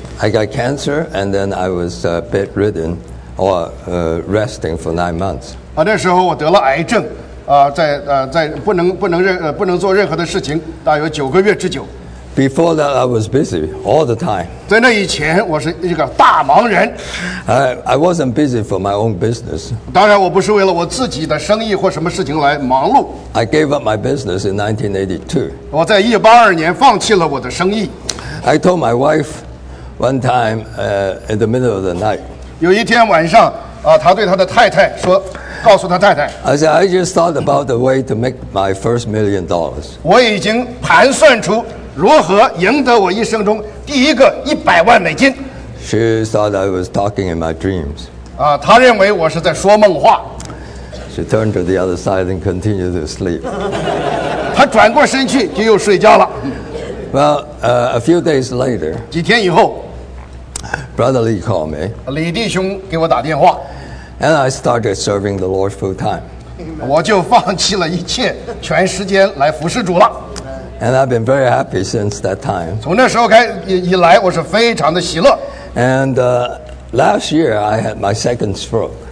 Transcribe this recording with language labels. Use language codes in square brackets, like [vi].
[en] I got cancer and then I was bedridden or resting for 9 months. [zh] 那时候我得了癌症。在不能做任何的事情，大约九个月之久。 [en] Before that, I was busy all the time. [zh] 在那以前，我是一个大忙人。 [en] I wasn't busy for my own business. [zh] 当然，我不是为了我自己的生意或什么事情来忙碌。 [en] I gave up my business in 1982. [zh] 我在1982年放弃了我的生意。 [en] I told my wife one time, in the middle of the night. [zh] 有一天晚上，他对他的太太说。告诉他太太 [en] I said, I just thought about the way to make my first $1,000,000. [zh] 我已经盘算出如何赢得我一生中第一个$1,000,000. [en] She thought I was talking in my dreams. [zh] 她认为我是在说梦话。 [en] She turned to the other side and continued to sleep. [zh] 她转过身去就又睡觉了。 [en] Well, a few days later, [zh] 几天以后 [en] Brother Lee called me. [zh] 李弟兄给我打电话。 [en] And I started serving the Lord full time. [zh] 我就放弃了一切，全时间来服侍主了。 [en] And I've been very happy since that time. [zh] 从那时候以来，我是非常的喜乐。 [en] And last year I had my second stroke.